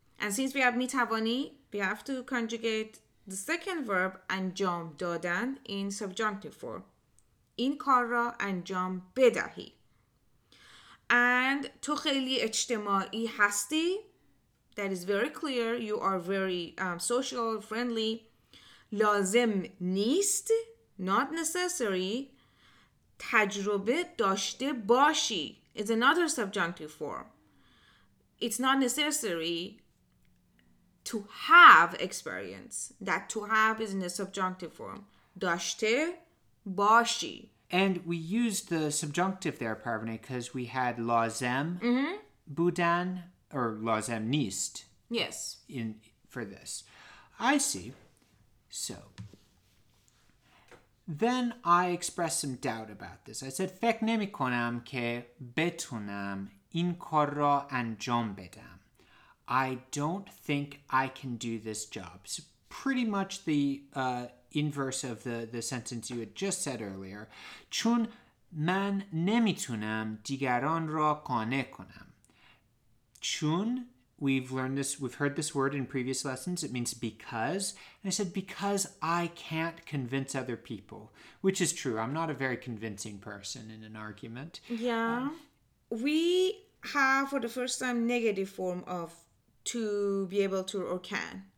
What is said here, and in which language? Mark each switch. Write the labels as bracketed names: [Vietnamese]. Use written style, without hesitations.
[English] And since we have mitavani, we have to conjugate the second verb anjam dadan in subjunctive form. [Persian] In kara anjam bedahi. And to khayli ejtemai hasti. [English] That is very clear. You are very social, friendly. [Persian] لازم نیست, [English] not necessary, [Persian] تجربه داشته باشی. [English] It's another subjunctive form. It's not necessary to have experience. That to have is in a subjunctive form. [Persian] داشته باشی. [English] And we used the subjunctive there, Parvane, because we had لازم mm-hmm. [Persian] بودن, or لازم نیست. [English] Yes. In for this. I see. So, then I expressed some doubt about this. I said, [Persian] فکر نمی کنم که بتونم این کار را انجام بدم. [English] I don't think I can do this job. So pretty much the inverse of the sentence you had just said earlier. [Persian] چون من نمی تونم دیگران را قانع کنم. چون... [English] We've learned this, we've heard this word in previous lessons. It means because. And I said, because I can't convince other people, which is true. I'm not a very convincing person in an argument. Yeah. We have for the first time negative form of to be able to or can.